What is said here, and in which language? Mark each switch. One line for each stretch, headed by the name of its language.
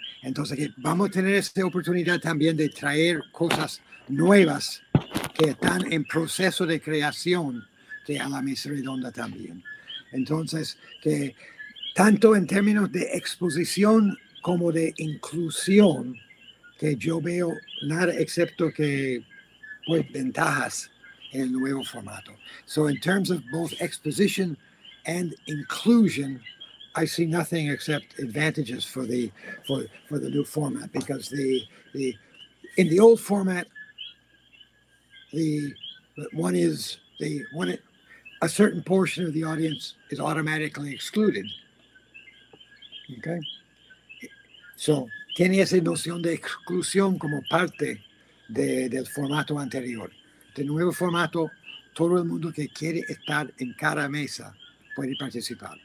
Spanish: Entonces, que vamos a tener esta oportunidad también de traer cosas nuevas que están en proceso de creación de a la mesa redonda también. Entonces, que tanto en términos de exposición como de inclusión, que yo veo nada excepto que, pues, ventajas en el nuevo formato.
English: So in terms of both exposition and inclusion, I see nothing except advantages for the new format, because in the old format, a certain portion of the audience is automatically excluded. Okay.
Spanish: So, tiene esa noción de exclusión como parte de, del formato anterior. De nuevo formato, todo el mundo que quiere estar en cada mesa puede participar.